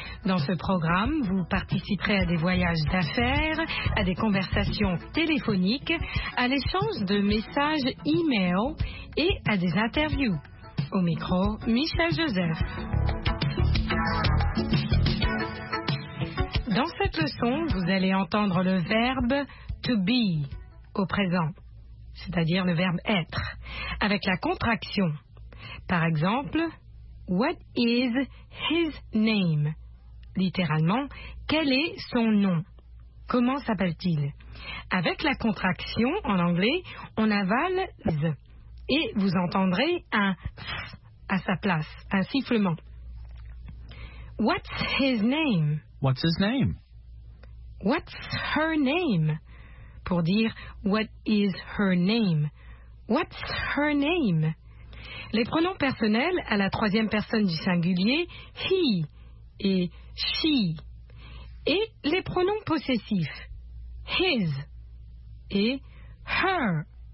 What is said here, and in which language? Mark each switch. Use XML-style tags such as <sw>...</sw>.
<fr>Dans ce programme, vous participerez à des voyages d'affaires, à des conversations téléphoniques, à l'échange de messages e-mail et à des interviews. Au micro, Michel Joseph. Dans cette leçon, vous allez entendre le verbe to be au présent, c'est-à-dire le verbe être, avec la contraction. Par exemple,</fr> <en>what is his name?</en> <fr>Littéralement, quel est son nom? Comment s'appelle-t-il? Avec la contraction, en anglais, on avale z et vous entendrez un s à sa place, un sifflement.</fr> <en>What's his name? What's his name? What's her name?</en> <fr>Pour dire</fr> <en>what is her name. What's her name?</en> <fr>Les pronoms personnels à la troisième personne du singulier, he et she. Et les pronoms possessifs, his et her.</fr>